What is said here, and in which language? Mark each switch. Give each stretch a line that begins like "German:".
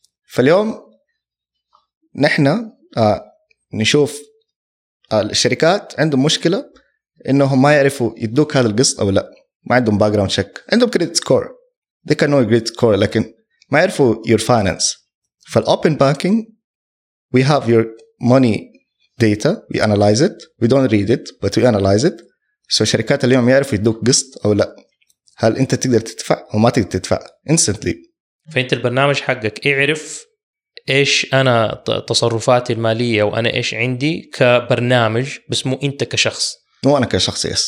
Arabic: فاليوم نحن نشوف الشركات عندهم مشكلة إنهم ما يعرفوا يدوك هذا القسط أو لا، ما عندهم background check، عندهم
English: credit score they can know a credit score
Arabic: لكن ما يعرفوا
English: your finance. فالopen banking we have your money data we analyze it we don't read it but we analyze it.
Arabic: so شركات اليوم يعرفوا يدوك قسط أو لا، هل أنت تقدر تدفع أو ما تقدر تدفع
English: instantly.
Arabic: فأنت البرنامج حقك يعرف إيش أنا تصرفاتي المالية وأنا إيش عندي كبرنامج، بس مو أنت كشخص، مو أنا كشخص يس.